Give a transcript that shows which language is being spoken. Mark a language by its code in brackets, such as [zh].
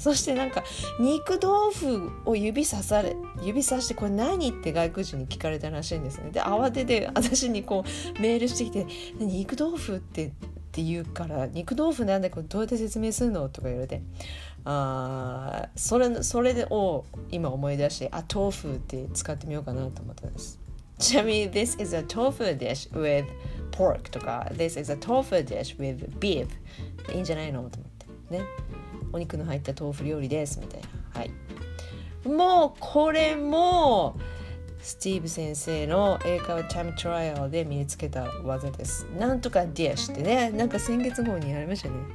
[ja] そしてなんか肉豆腐を指さしてこれ何って外国人に聞かれたらしいんですね。で慌てて私にこうメールしてきて肉豆腐って言うから肉豆腐なんだけどどうやって説明するのとか言われて、あ、それを今思い出して、あ、豆腐って使ってみようかなと思ったんです。 [en] ちなみに This is a tofu dish with pork とか This is a tofu dish with beef [ja] いいんじゃないのと思ってね。お肉の入った豆腐料理ですみたいな。はい、もうこれもスティーブ先生の英会話タイムトライアルで身につけた技です。なんとか dish ってね、なんか先月号にやりましたね、